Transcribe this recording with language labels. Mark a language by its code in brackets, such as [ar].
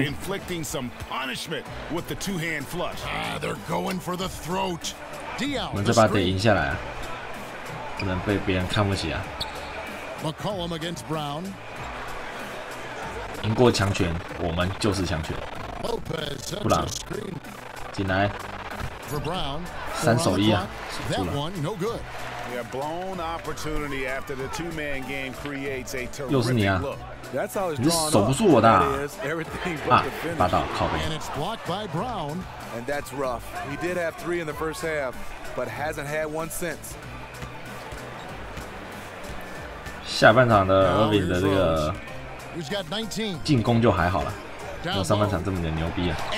[en] Inflicting some punishment with the two-hand flush. They're going for the throat. [zh] 我们这把得赢下来啊，不能被别人看不起啊。 [en] McCollum against Brown。 [zh] 赢过强权，我们就是强权。布朗进来，三手一啊，输了。 [en] Yeah, blown opportunity after the two-man game creates a terrific look. [zh] 又是你啊！你是守不住我的 啊！霸道靠背。 [en] And it's blocked by Brown. And that's rough. He did have three in the first half, but hasn't had one since. [zh] 下半场的 Irving 的这个进攻就还好了，没有上半场这么的牛逼啊！